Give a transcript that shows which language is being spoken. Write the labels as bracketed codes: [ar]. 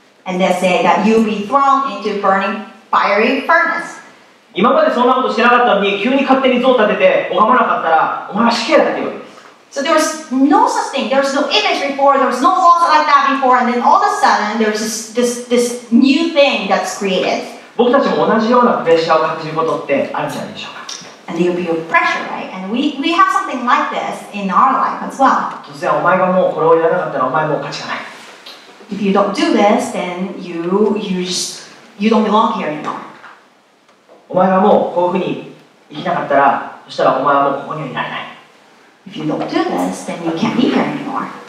[en] And they say that you'll be thrown into burning fiery furnace. [ja] 今までそんなことしてなかったのに、急に勝手に像を立てて拝まなかったら、お前は死刑だということです。 [en] So there was no such thing, there was no image before, there was no laws like that before, and then all of a sudden, there was this new thing that's created. [ja] 僕たちも同じようなプレッシャーを感じることってあるんじゃないでしょうか。 [en] And there will be a pressure, right? And we have something like this in our life as well. [ja] 突然お前がもうこれをやらなかったらお前もう価値がない。 [en] If you don't do this, then you don't belong here anymore. [ja] お前がもうこういうふうに生きなかったら、そしたらお前はもうここにはいられない。 [en] If you don't do this, then you can't be here anymore.